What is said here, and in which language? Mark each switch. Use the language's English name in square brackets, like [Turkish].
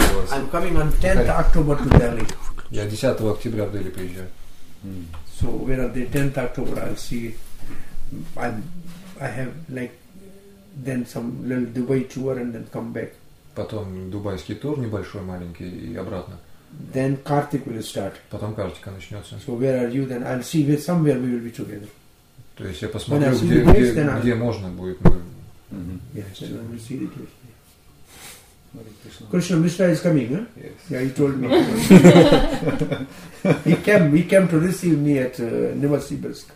[English] I'm coming on 10th October to Delhi. [Russian] Я 10 октября в Дели приезжаю. [English] So where are they? 10th October, I'll see. I have like then some little Dubai tour and then come back. [Russian] Потом дубайский тур небольшой, маленький и обратно. [English] Then Kartik will start. [Russian] Потом Картика начнется. [English] So where are you then? I'll see where somewhere we will be together. [Russian] То есть я посмотрю, где можно будет. [English] Mm-hmm. Yes, Krishna Mishra is coming, huh? Yes. Yeah, he told me. he came to receive me at Novosibirsk.